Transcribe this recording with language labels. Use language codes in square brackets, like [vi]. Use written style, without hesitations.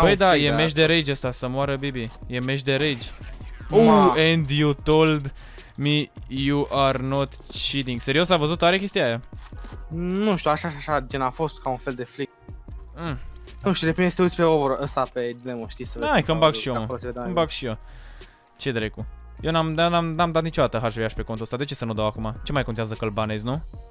[ro] Băi, da, e match de rage ăsta, să moară, Bibi. E match de rage. [en] And you told me you are not cheating. [ro] Serios, a văzut tare chestia aia? Nu știu, așa, gen a fost ca un fel de flick. Nu știu, repede să te uiți pe over ăsta, pe demo, știi, să vezi. Hai, că-mi bag și eu, mă. Îmi bag și eu. Ce dracu? Eu n-am dat niciodată HVH pe contul ăsta, de ce să nu dau acum? Ce mai contează că-l banezi, nu?